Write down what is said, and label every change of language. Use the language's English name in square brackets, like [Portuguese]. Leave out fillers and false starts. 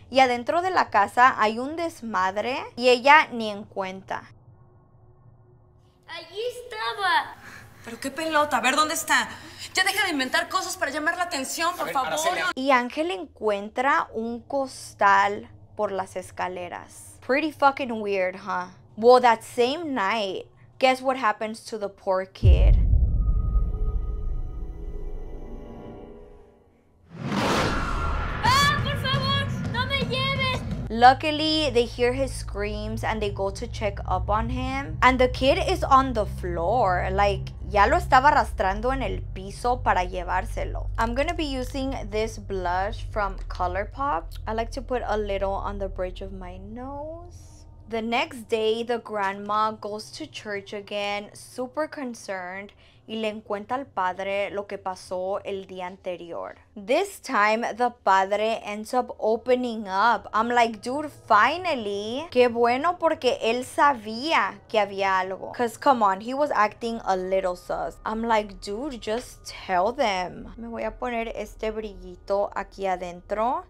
[Spanish] Y adentro de la casa hay un desmadre y ella ni en cuenta. Allí estaba. Pero qué pelota, a ver, ¿dónde está? Ya deja de inventar cosas para llamar la atención, por favor. Y Ángel encuentra un costal por las escaleras. [English] Pretty fucking weird, huh? Well, that same night, guess what happens to the poor kid? Luckily, they hear his screams and they go to check up on him. And the kid is on the floor. Like, [Spanish] ya lo estaba arrastrando en el piso para llevárselo. [English] I'm gonna be using this blush from ColourPop. I like to put a little on the bridge of my nose. The next day, the grandma goes to church again, super concerned. [Spanish] Y le encuentra al padre lo que pasó el día anterior. [English] This time, the padre ends up opening up. I'm like, dude, finally. [Spanish] Qué bueno porque él sabía que había algo. [English] Because, come on, he was acting a little sus. I'm like, dude, just tell them. [Spanish] Me voy a poner este brillito aquí adentro.